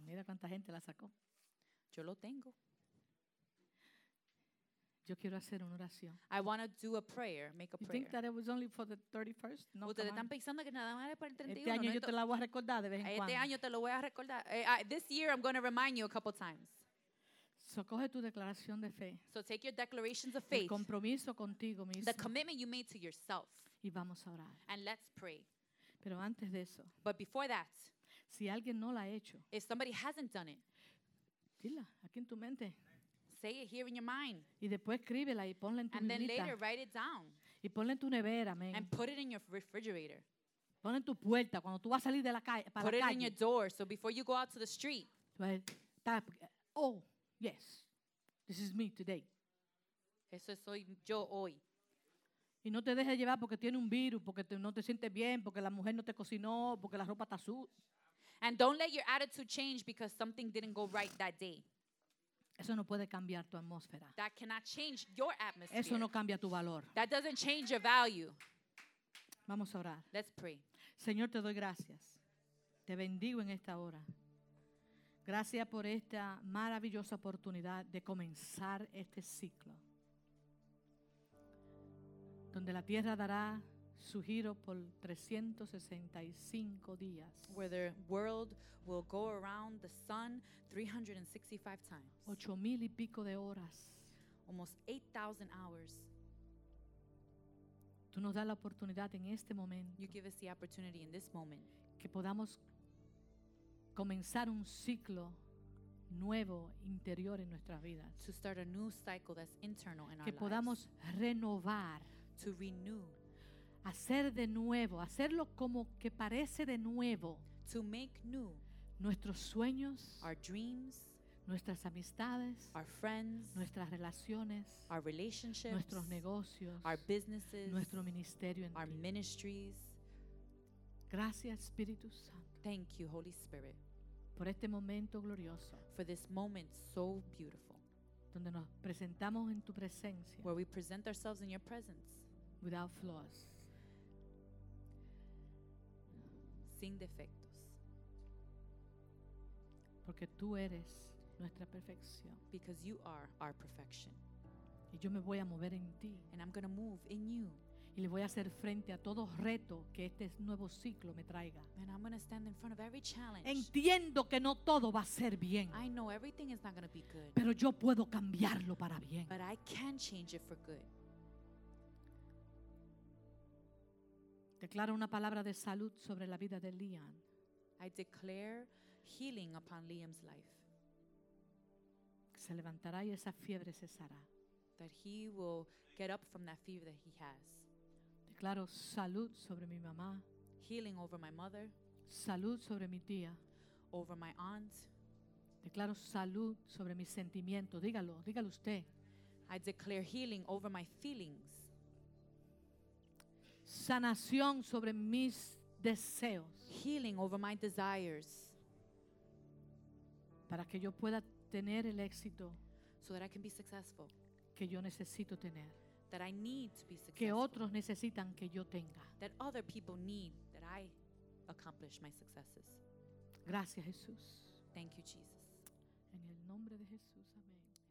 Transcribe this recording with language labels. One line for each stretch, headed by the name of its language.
Spanish: Mira cuánta gente la sacó. Yo lo tengo. Yo quiero hacer una oración.
English: I want to do a prayer, make a you prayer. You think that it was only for the 31st? No.
Spanish: Ustedes están pensando que nada más es para el 31. Este año yo te la voy a recordar de vez en cuando. Este año te lo voy a recordar.
English: This year I'm going to remind you a couple times.
Spanish: So coge tu declaración de fe.
English: So take your declarations of faith.
Spanish: El compromiso contigo mismo.
English: The commitment you made to yourself.
Spanish: Y vamos a orar.
English: And let's pray.
Spanish: Pero antes de eso.
English: But before that.
Spanish: Si alguien no la ha hecho.
English: If somebody hasn't done it.
Spanish: Dila aquí en tu mente.
English: Say it here in your mind.
Spanish: Y después escríbela y ponla en tu
English: and then later write it down.
Spanish: Y ponla en tu nevera, man.
English: And put it in your refrigerator.
Spanish: Ponla en tu puerta cuando tú vas a salir de la calle.
English: Put it in your door so before you go out to the street. Well, tap, oh. Yes, this is me today.
Spanish: Eso soy yo hoy. Y no te dejes llevar porque tiene un virus, porque no te sientes bien, porque la mujer no te cocinó, porque la ropa está sucia.
English: And don't let your attitude change because something didn't go right that day.
Spanish: Eso no puede cambiar tu atmósfera.
English: That cannot change your atmosphere.
Spanish: Eso no cambia tu valor.
English: That doesn't change your value.
Spanish: Vamos a orar.
English: Let's pray.
Spanish: Señor, te doy gracias. Te bendigo en esta hora. Gracias por esta maravillosa oportunidad de comenzar este ciclo. Donde la tierra dará su giro por 365 días.
English: Where the world will go around the sun 365 times.
Spanish: 8,000 y pico de horas.
English: Almost 8,000 hours.
Spanish: Tú nos das la oportunidad en este momento.
English: You give us the opportunity in this moment.
Spanish: Que podamos comenzar un ciclo nuevo interior en nuestras vidas.
English: To start a new cycle that's internal in our lives.
Spanish: Que podamos renovar.
English: To renew.
Spanish: Hacer de nuevo, hacerlo como que parece de nuevo.
English: To make new.
Spanish: Nuestros sueños.
English: Our dreams.
Spanish: Nuestras amistades.
English: Our friends.
Spanish: Nuestras relaciones.
English: Our relationships.
Spanish: Nuestros negocios.
English: Our businesses.
Spanish: Nuestro ministerio.
English: Our ministries.
Spanish: Gracias, Espíritu Santo.
English: Thank you, Holy Spirit.
Spanish: Por este momento glorioso.
English: For this moment so beautiful.
Spanish: Donde nos presentamos en tu presencia.
English: Where we present ourselves in your presence. Without flaws.
Spanish: Sin defectos. Porque tú eres nuestra perfección.
English: Because you are our perfection.
Spanish: Y yo me voy a mover en ti.
English: And I'm going to move in you.
Spanish: Y le voy a hacer frente a todo reto que este nuevo ciclo me traiga.
English: And I'm going to stand in front of every challenge.
Spanish: Entiendo que no todo va a ser bien.
English: I know everything is not going to be good.
Spanish: Pero yo puedo cambiarlo para bien.
English: But I can change it for good.
Spanish: Declaro una palabra de salud sobre la vida de Liam.
English: I declare healing upon Liam's life.
Spanish: Se levantará y esa fiebre cesará.
English: That he will get up from that fever that he has.
Spanish: Claro, salud sobre mi mamá.
English: Healing over my mother.
Spanish: Salud sobre mi tía.
English: Over my aunt.
Spanish: Declaro salud sobre mis sentimientos. Dígalo, dígalo usted.
English: I declare healing over my feelings.
Spanish: Sanación sobre mis deseos.
English: Healing over my desires.
Spanish: Para que yo pueda tener el éxito.
English: So that I can be successful.
Spanish: Que yo necesito tener.
English: That I need to be successful.
Spanish: Que otros necesitan que yo tenga.
English: That other people need that I accomplish my successes.
Spanish: Gracias, Jesús.
English: Thank you, Jesus.
Spanish: En el nombre de Jesús, amén.